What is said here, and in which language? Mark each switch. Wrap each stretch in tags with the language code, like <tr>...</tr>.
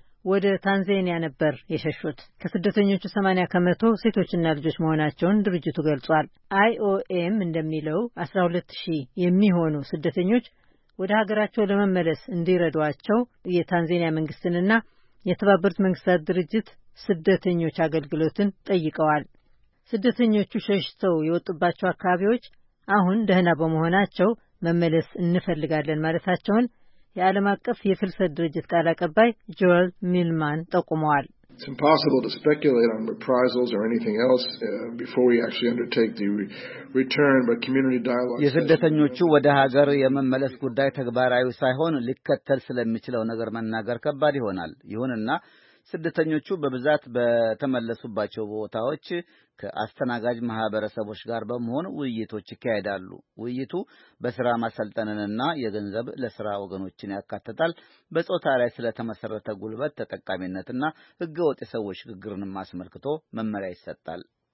<am>ወደ ታንዛኒያ ነበር የሸሹት። ከስደተኞቹ 80% ሴቶችና ልጆች መሆናቸውን ድርጅቱ ገልጿል። IOM እንደሚለው 12,000 የሚሆኑ ስደተኞች ወደ ሀገራቸው ለመመለስ እንዲረዷቸው የታንዛኒያ መንግስትንና የተባበሩት መንግስታት ድርጅት ስደተኞች አገልግሎትን ጠይቀዋል። ስደተኞቹ ሸሽተው የወጡባቸው አካባቢዎች አሁን ደህና በመሆናቸው መመለስ እንፈልጋለን ማለታቸውን የዓለም አቀፍ የፍልሰት ድርጅት ቃል አቀባይ ጆል ሚልማን ጠቁመዋል።</am> <en>It's impossible to speculate on reprisals or anything else before we actually undertake the return but community dialogue.</en> <am>የስደተኞቹ ወደ ሀገር የመመለስ ጉዳይ ተግባራዊ ሳይሆን ሊከተል ስለሚችለው ነገር መናገር ከባድ ይሆናል። ይሁንና ስደተኞቹ በብዛት በተመለሱባቸው ቦታዎች ከአስተናጋጅ ማህበረሰቦች ጋር በመሆን ውይይቶች ያካሂዳሉ። ውይይቱ በስራ ማሰልጠንና የገንዘብ ለስራ ወገኖችን ያካትታል። በጾታ ላይ ስለተመሰረተ ጉልበት ተጠቃሚነትና ህገወጥ ሰዎች ግግርን ማስመልክቶ መመሪያ ይሰጣል።</am>